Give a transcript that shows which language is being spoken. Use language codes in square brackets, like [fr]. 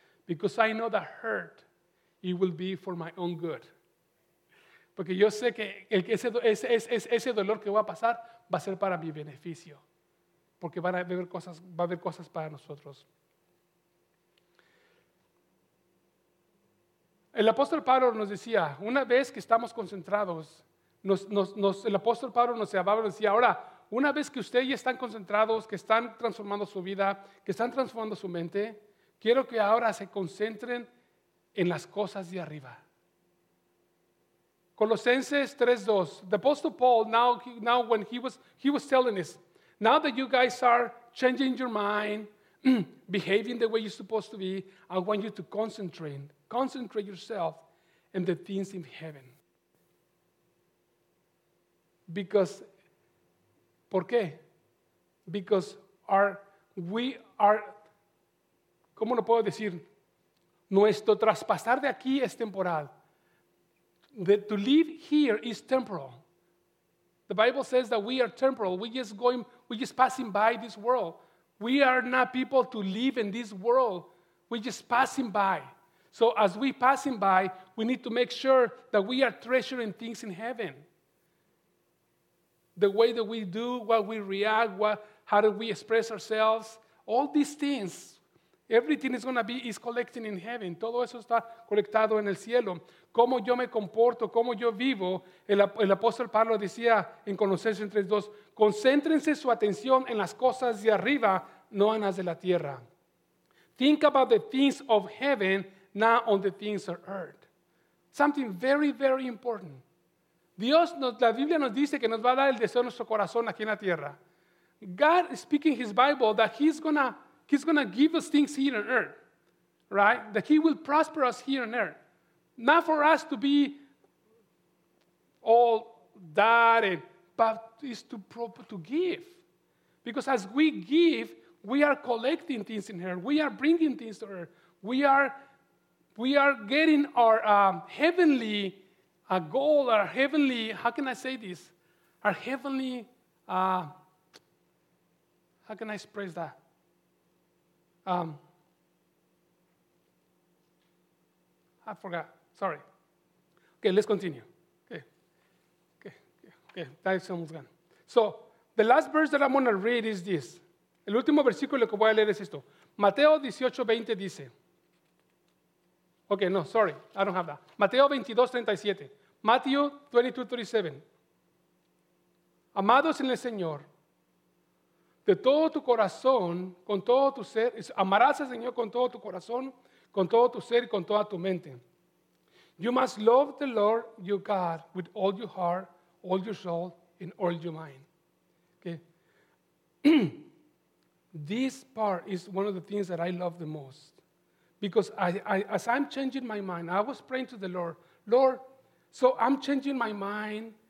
[en] Because I know that hurt, it will be for my own good. [es] Porque yo sé que ese dolor que va a pasar va a ser para mi beneficio. Porque va a haber cosas para nosotros. El apóstol Pablo nos decía, una vez que estamos concentrados, el apóstol Pablo nos decía, ahora, una vez que ustedes ya están concentrados, que están transformando su vida, que están transformando su mente, quiero que ahora se concentren en las cosas de arriba. Colosenses 3:2. [en] The apostle Paul, now when he was telling us, now that you guys are changing your mind, behaving the way you're supposed to be, I want you to concentrate yourself in the things in heaven. Because, [es] ¿por qué? Because ¿cómo lo puedo decir? Nuestro traspasar de aquí es temporal. [en] To live here is temporal. The Bible says that we are temporal. We're just passing by this world. We are not people to live in this world. We're just passing by. So as we're passing by, we need to make sure that we are treasuring things in heaven. The way that we do, what we react, how do we express ourselves, all these things, everything is going to be, is collecting in heaven. [es] Todo eso está colectado en el cielo. Cómo yo me comporto, cómo yo vivo, el apóstol Pablo decía en Colosenses 3:2, concéntrense su atención en las cosas de arriba, no en las de la tierra. [en] Think about the things of heaven, not on the things of earth. Something very, very important. [es] La Biblia nos dice que nos va a dar el deseo de nuestro corazón aquí en la tierra. [en] God speaking his Bible that he's gonna give us things here on earth, right? That he will prosper us here on earth. Not for us to be all that, but is to give. Because as we give, we are collecting things in earth. We are bringing things to earth. We are getting our heavenly a goal, our heavenly, how can I say this? Our heavenly, how can I express that? I forgot, sorry. Okay, let's continue. Okay, that's almost gone. So, the last verse that I'm going to read is this. [es] El último versículo que voy a leer es esto. [en] Mateo 18:20 dice. Okay, no, sorry, I don't have that. Mateo 22:37. Matthew 22:37. [es] Amados en el Señor, de todo tu corazón, con todo tu ser, amarás al Señor con todo tu corazón, con todo tu ser y con toda tu mente. [en] You must love the Lord your God with all your heart, all your soul, and all your mind. Okay. This part is one of the things that I love the most. Because as I'm changing my mind, I was praying to the Lord, Lord, so I'm changing my mind.